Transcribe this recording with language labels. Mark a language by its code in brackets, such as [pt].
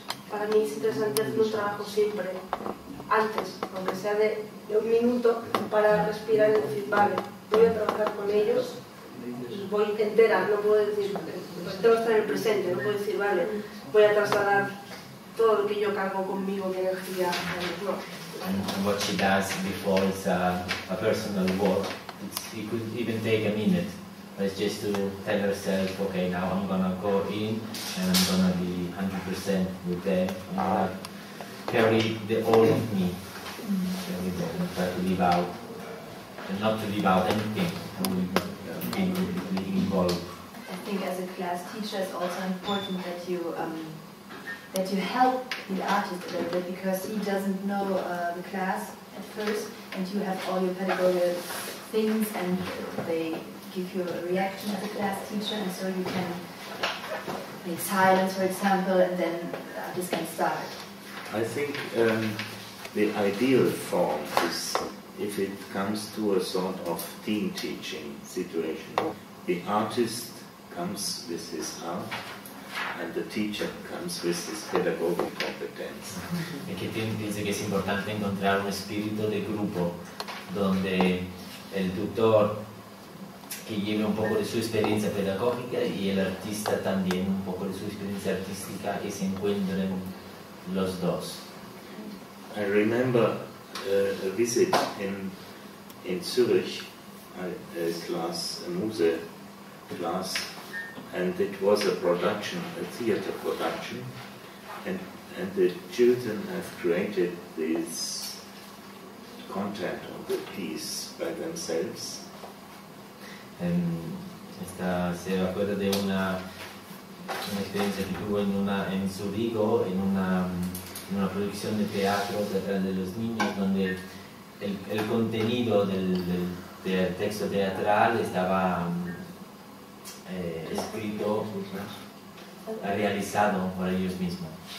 [es] Para mí es interesante hacer un trabajo siempre, antes, aunque sea de un minuto, para respirar y decir, vale, voy a trabajar con ellos. Voy entera, no puedo decir, tengo que estar en el presente, no puedo decir, vale, voy a trasladar todo lo que yo cargo conmigo, mi energía, no. [en] And what she does before is a personal work. It could even take a minute, but it's just to tell herself, okay, now I'm gonna go in and I'm gonna be 100% with them. Carry the all of me, carry them, not to leave out, and not to leave out anything. I think as a class teacher, it's also important that you help the artist a little bit, because he doesn't know the class at first, and you have all your pedagogical things, and they give you a reaction as a class teacher, and so you can make silence, for example, and then the artist can start. I think the ideal form is if it comes to a sort of team teaching situation. The artist comes with his art, and the teacher comes with his pedagogical competence. [es] Es que piensa que es importante encontrar un espíritu de grupo donde el tutor que lleve un poco de su experiencia pedagógica y el artista también un poco de su experiencia artística y se encuentren los dos. [en] I remember a visit in Zurich, a class, a Muse class, and it was a production, a theater production, and the children have created this content of the piece by themselves. [es] Esta se acuerda de una experiencia que tuvo en Zurigo, en una producción de teatro teatral de los niños, donde el contenido del texto teatral estaba escrito, realizado por ellos mismos.